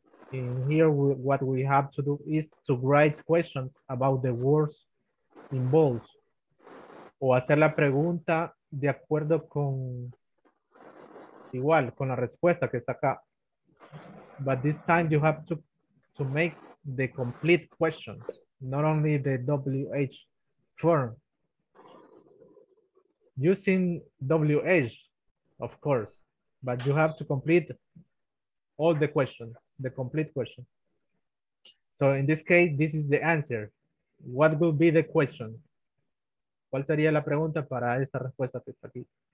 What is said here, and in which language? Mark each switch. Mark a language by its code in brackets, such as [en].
[en] In here, what we have to do is to write questions about the words involved. [es] O hacer la pregunta de acuerdo con igual, con la respuesta que está acá. [en] But this time you have to make the complete questions. Not only the WH form. Using WH, of course, but you have to complete all the questions, the complete question. So in this case, this is the answer. What will be the question? [es] ¿Cuál sería la pregunta para esa respuesta que está aquí?